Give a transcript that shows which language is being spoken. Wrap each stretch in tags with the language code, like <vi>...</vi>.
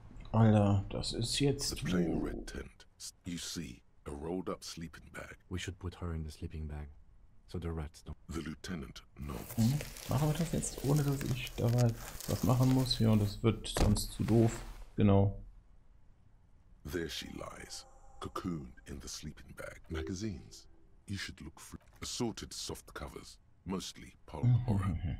<de>Alter, das ist jetzt...</de> <en>The plain red tent. You see, a rolled up sleeping bag. We should put her in the sleeping bag, so the rats don't... The lieutenant knows.</en> <de>Machen wir das jetzt, ohne dass ich dabei was machen muss? Ja, das wird sonst zu doof. Genau.</de> <en>There she lies, cocooned in the sleeping bag. Magazines. You should look for assorted soft covers, mostly pulp horror.</en>